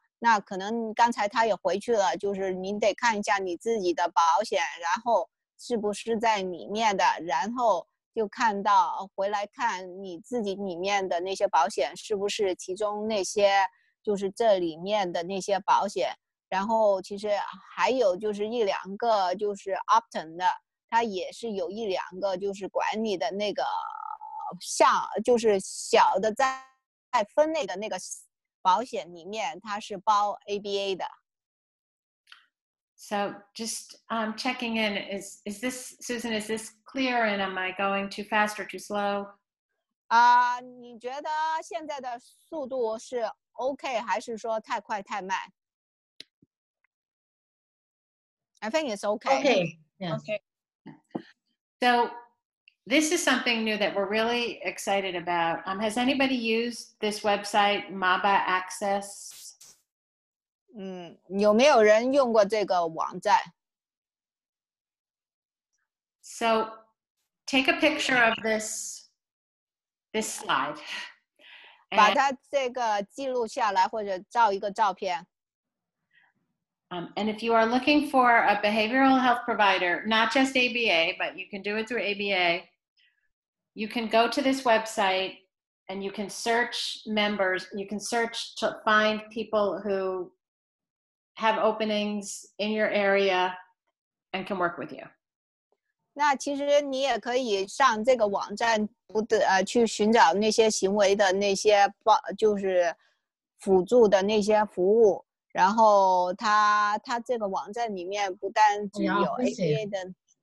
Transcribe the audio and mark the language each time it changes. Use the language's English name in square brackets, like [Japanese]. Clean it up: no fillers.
[Chinese] 那可能刚才他也回去了，就是您得看一下你自己的保险然后是不是在里面的，然后就看到回来看你自己里面的那些保险是不是其中那些就是这里面的那些保险，然后其实还有就是一两个就是 Optum 的，它也是有一两个就是管理的那个像就是小的在分类的那个保险里面它是包 ABA 的。 [English] So just checking in, is this, Susan, is this clear and am I going too fast or too slow? [Chinese] 你觉得现在的速度是 OK 还是说太快太慢？ [English] I think it's OK. OK. Yeah. OK. So this is something new that we're really excited about. Has anybody used this website, MABA Access? [Chinese] 有没有人用过这个网站？ [English] So take a picture of this slide. [Chinese] 把它这个记录下来或者照一个照片。 [English] And if you are looking for a behavioral health provider, not just ABA, but you can do it through ABA, you can go to this website and you can search members, you can search to find people whohave openings in your area and can work with you. [Chinese] 那其实你也可以上这个网站去寻找那些行为的那些就是辅助的那些服务，然后他这个网站里面不单只有 ABA 的